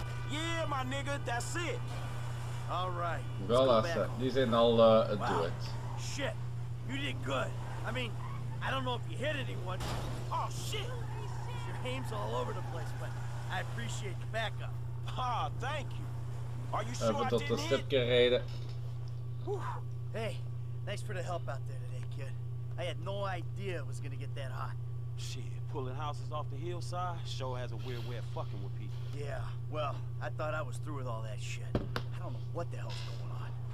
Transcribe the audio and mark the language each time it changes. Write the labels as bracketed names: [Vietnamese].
[English] Yeah, my nigga, that's it. All right. Well, these ain't all do it. Shit, you did good. I mean, I don't know if you hit anyone. Oh, shit. Your aim's all over the place, but I appreciate your backup. Ah, thank you. [Dutch] We hebben tot een stip gereden. [English] Hey, thanks for the help out there today, kid. I had no idea it was gonna get that hot. Shit, pulling houses off the hillside sure has a weird way of fucking with people. Yeah, well, I thought I was through with all that shit. I don't know what the hell's going on.